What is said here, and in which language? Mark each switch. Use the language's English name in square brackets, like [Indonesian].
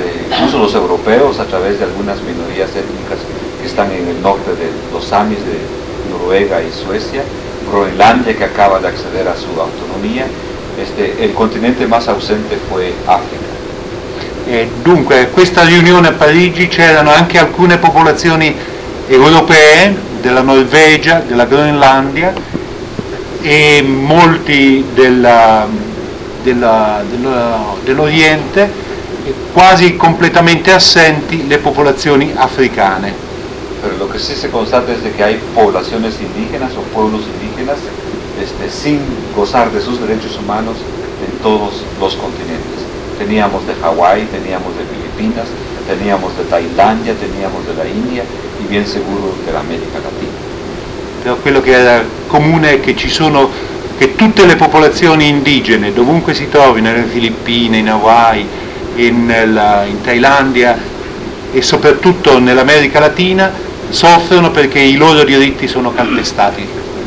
[Spanish] Incluso los europeos, a través de algunas minorías étnicas que están en el norte de los Samis de Noruega y Suecia, Groenlandia, que acaba de acceder a su autonomía, el continente más ausente fue África. [Italian] Dunque, [Spanish] en esta reunión [Italian] a Parigi c'erano anche alcune popolazioni europee, della Norvegia, della Groenlandia, e molti dell'Oriente. Quasi completamente assenti le popolazioni africane. [Spanish] Pero lo que sí se constata es de que hay poblaciones indígenas o pueblos indígenas sin gozar de sus derechos humanos en todos los continentes. Teníamos de Hawái, teníamos de Filipinas, teníamos de Tailandia, teníamos de la India y bien seguro de la América Latina. [Italian] Pero quello che era comune è che ci sono, che tutte le popolazioni indigene, dovunque si trovi, nelle Filippine, in Hawaii, in Thailandia e soprattutto nell'America Latina, soffrono perché i loro diritti sono calpestati.